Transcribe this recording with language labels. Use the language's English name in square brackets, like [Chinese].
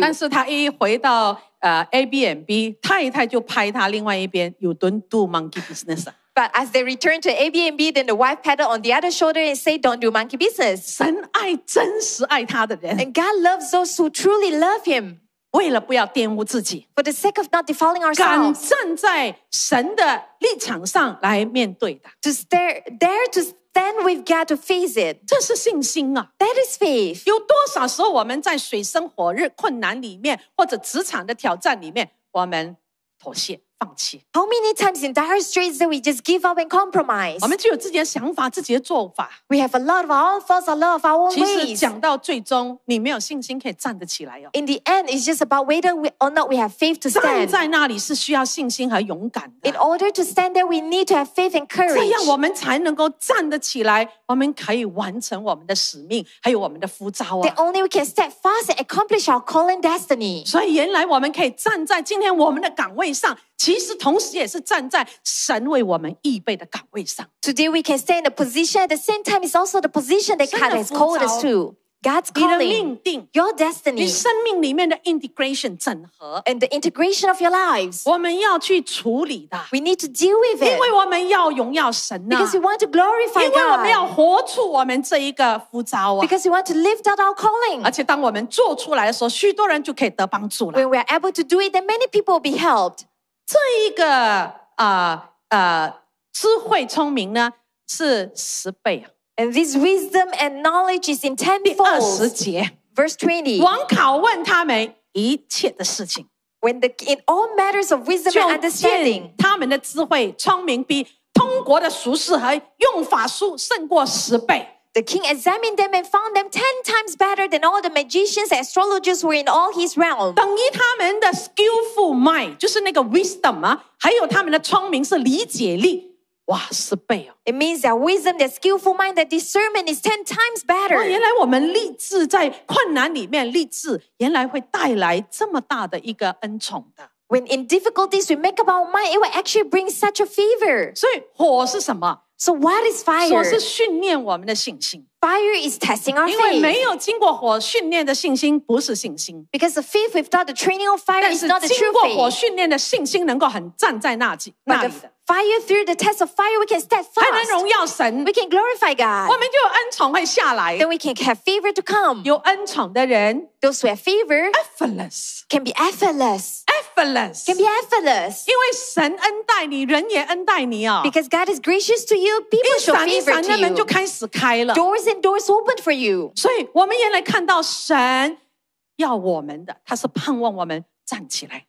[Chinese] 但是他一回到Airbnb, 太太就拍他另外一边 [English] you don't do monkey business. But as they returned to Airbnb, then the wife patted on the other shoulder and said, don't do monkey business. [Chinese] 神爱真实爱他的人。 [English] And God loves those who truly love him. [Chinese] 为了不要玷污自己。 [English] For the sake of not defiling ourselves. [Chinese] 敢站在神的立场上来面对的。 [English] To dare to stand with God to face it. [Chinese] 这是信心啊。 [English] That is faith. [Chinese] 有多少时候我们在水深火热困难里面或者职场的挑战里面我们妥协放弃。 [English] How many times in dire straits that we just give up and compromise? [Chinese] 我们就有自己的想法，自己的做法。 [English] We have a lot of our thoughts, a lot of our ways. [Chinese] 其实讲到最终，你没有信心可以站得起来哦。 [English] In the end, it's just about whether we or not we have faith to stand. [Chinese] 站在那里是需要信心和勇敢的。 [English] In order to stand there, we need to have faith and courage. [Chinese] 这样我们才能够站得起来，我们可以完成我们的使命，还有我们的呼召啊。 [English] Then only we can step fast and accomplish our calling destiny. [Chinese] 所以原来我们可以站在今天我们的岗位上。其实同时也是站在神为我们预备的岗位上。 [English] Today we can stay in the position. At the same time, it's also the position that God has called us to. God's calling. [Chinese] 你的命定。 [English] Your destiny. [Chinese] 你生命里面的 integration 整合。 [English] And the integration of your lives. [Chinese] 我们要去处理的。 [English] We need to deal with it. [Chinese] 因为我们要荣耀神啊。 [English] Because we want to glorify God. [Chinese] 因为我们要活出我们这一个呼召啊。 [English] Because we want to live out our calling. [Chinese] 而且当我们做出来的时候，许多人就可以得帮助了。 [English] When we are able to do it, then many people will be helped. [Chinese] 这一个智慧聪明呢是十倍啊。 [English] And this wisdom and knowledge is in tenfold. [Chinese] 第二十节。 [English] Verse 20. [Chinese] 王拷问他们一切的事情。 [English] When the, in all matters of wisdom and understanding. [Chinese] 他们的智慧聪明比通国的俗事和用法术胜过十倍。 [English] The king examined them and found them 10 times better than all the magicians and astrologers were in all his realm. [Chinese] 等于他们的 [English] skillful mind, [Chinese] 就是那个 wisdom 啊，还有他们的聪明是理解力，哇，十倍哦。 [English] It means their wisdom, their skillful mind, their discernment is 10 times better. [Chinese] 哇，原来我们立志在困难里面立志，原来会带来这么大的一个恩宠的。 [English] When in difficulties we make up our mind, it will actually bring such a fever. [Chinese] 所以火是什么？ [English] So what is fire? [Chinese] 火是训练我们的信心。 [English] Fire is testing our faith. [Chinese] 因为没有经过火训练的信心不是信心。 [English] Because the faith without the training of fire is not the true faith. [Chinese] 但是经过火训练的信心能够很站在那里的。 [English] Fire through the test of fire, we can stand fast. [Chinese] 还能荣耀神。 [English] We can glorify God. [Chinese] 我们就有恩宠会下来。 [English] Then we can have favor to come. [Chinese] 有恩宠的人。 [English] Those who have favor. Effortless. Can be effortless. Effortless. Can be effortless. [Chinese] 因为神恩待你，人也恩待你啊。 [English] Because God is gracious to you, people show favor to you. [Chinese] 一闪一闪的门就开始开了。 [English] Doors and doors opened for you. [Chinese] 所以我们原来看到神要我们的，他是盼望我们站起来。